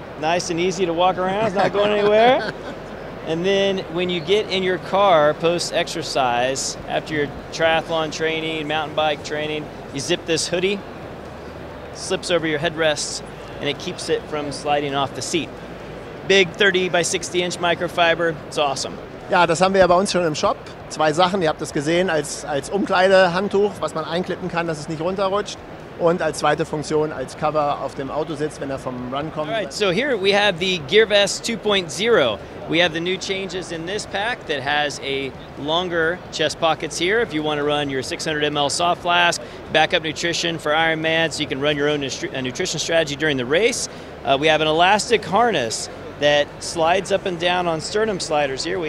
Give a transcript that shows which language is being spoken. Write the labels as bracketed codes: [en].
[en] Nice and easy to walk around. It's not going anywhere. And then when you get in your car post-exercise, after your triathlon training, mountain bike training, you zip this hoodie, slips over your headrests, and it keeps it from sliding off the seat. Big 30 by 60 inch microfiber, it's awesome. [de] Ja, das haben wir ja bei uns schon im Shop. Zwei Sachen, ihr habt das gesehen, als Umkleidehandtuch, was man einklippen kann, dass es nicht runterrutscht. Und als zweite Funktion, als Cover auf dem Autositz, wenn er vom Run kommt. [en] All right, so here we have the Gear Vest 2.0. We have the new changes in this pack that has a longer chest pockets here if you want to run your 600 ml soft flask, backup nutrition for Ironman so you can run your own nutrition strategy during the race. We have an elastic harness that slides up and down on sternum sliders here.